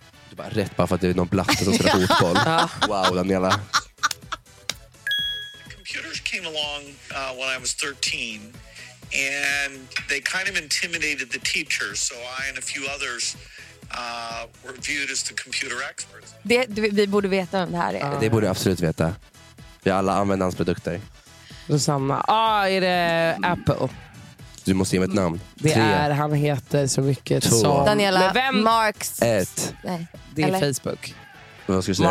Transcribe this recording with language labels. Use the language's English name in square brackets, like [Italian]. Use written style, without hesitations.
[Swedish] Du bara rätt bara för att det är någon blatte som spelar fotboll. Wow, Daniela. [English] Computers came along when I was 13 and they kind of intimidated the teachers, so I and a few others were viewed as the computer experts. [Swedish] Vi borde veta vem det här är. Det borde jag absolut veta. Vi alla använder hans produkter. Rosanna. Är det Apple? Du måste ge mig ett namn. Det är, han heter så mycket som... Daniela, vem? Marks... Ett. Nej. Det är Facebook. Vad ska du säga?